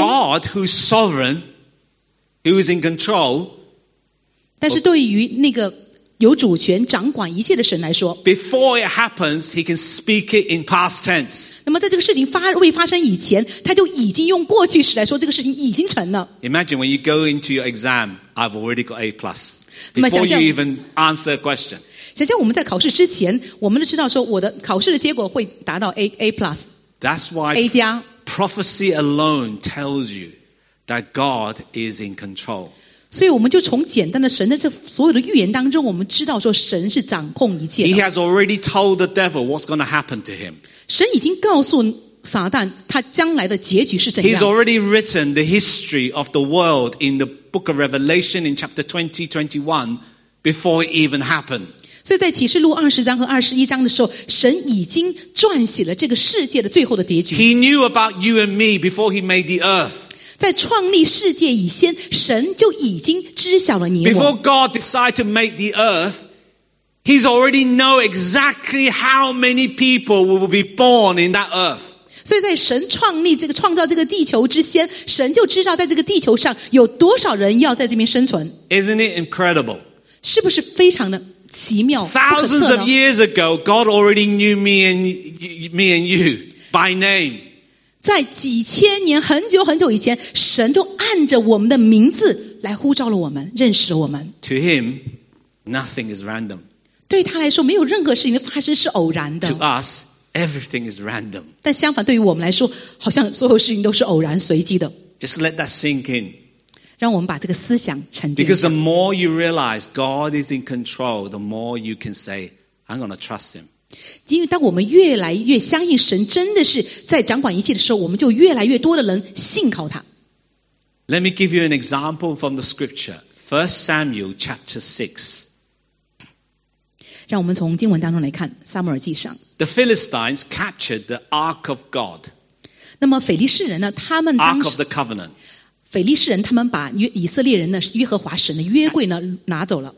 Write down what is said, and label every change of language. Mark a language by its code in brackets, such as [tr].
[en] But for God, who's sovereign, who is in control, [zh] 但是对于那个有主权掌管一切的神来说， [en] Before it happens, he can speak it in past tense. [zh] 那么在这个事情未发生以前，他就已经用过去时来说这个事情已经成了。 [en] Imagine when you go into your exam, I've already got A+. Before you even answer a question. [zh] 想象我们在考试之前，我们都知道说我的考试的结果会达到 A+. [en] That's why A+. Prophecy alone tells you that God is in control. [zh] 所以我们就从简单的神的这所有的预言当中，我们知道说神是掌控一切的。 [en] He has already told the devil what's going to happen to him. [zh] 神已经告诉撒旦他将来的结局是怎样。 [en] He's already written the history of the world in the book of Revelation in chapter 20-21 before it even happened. [zh] 所以在启示录20章和21章的时候，神已经撰写了这个世界的最后的结局。 [en] He knew about you and me before he made the earth. [zh] 在创立世界以先，神就已经知晓了你我。 [en] Before God decided to make the earth, He's already know exactly how many people will be born in that earth. [zh] 所以在神创立这个创造这个地球之先，神就知道在这个地球上有多少人要在这边生存。 [en] Isn't it incredible? [zh] 是不是非常的奇妙？ [en] Thousands of years ago, God already knew me and you by name. [zh] 在几千年很久很久以前，神就按着我们的名字来呼召了我们，认识了我们。 [en] To him, nothing is random. [zh] 对他来说，没有任何事情的发生是偶然的。 [en] To us, everything is random. [zh] 但相反，对于我们来说，好像所有事情都是偶然随机的。 [en] Just let that sink in. [zh] 让我们把这个思想沉淀。 [en] Because the more you realize God is in control, the more you can say, I'm going to trust him. [zh] 因为当我们越来越相信神真的是在掌管一切的时候，我们就越来越多的人信靠他。 [en] Let me give you an example from the scripture. 1 Samuel chapter 6. [zh] 让我们从经文当中来看，撒母耳记上。 [en] The Philistines captured the Ark of God. [zh] 那么腓力士人呢，他们当时 [en] Ark of the Covenant， [zh] 腓力士人他们把以色列人的耶和华神的约柜呢拿走了。